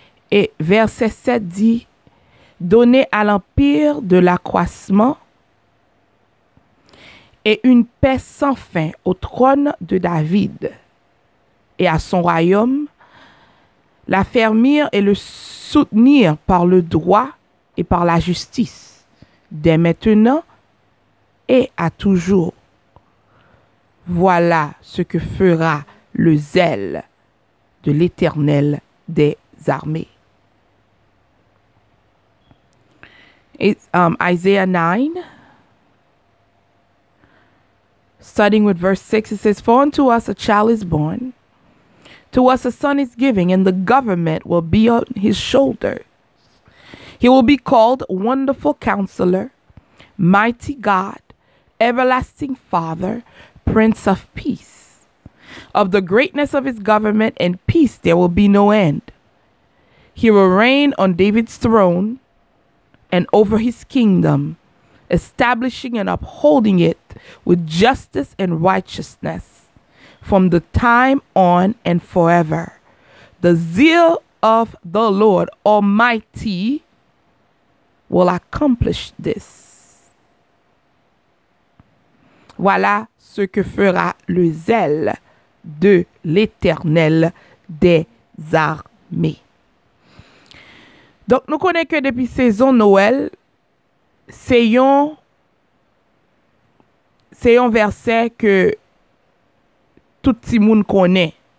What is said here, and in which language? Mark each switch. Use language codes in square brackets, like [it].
[fr] Et verset 7 dit, donner à l'empire de l'accroissement et une paix sans fin au trône de David et à son royaume, l'affermir et le soutenir par le droit et par la justice, dès maintenant et à toujours. Voilà ce que fera le zèle de l'Éternel des armées. [en] Isaiah 9, starting with verse 6, it says, for unto us a child is born, to us a son is given, and the government will be on his shoulders. He will be called Wonderful Counselor, Mighty God, Everlasting Father, Prince of Peace. Of the greatness of his government and peace there will be no end. He will reign on David's throne, and over his kingdom, establishing and upholding it with justice and righteousness from the time on and forever. The zeal of the Lord Almighty will accomplish this. [fr] Voilà ce que fera le zèle de l'Éternel des armées. Donc, nous connaissons que depuis saison Noël, c'est un verset que tout le monde connaît.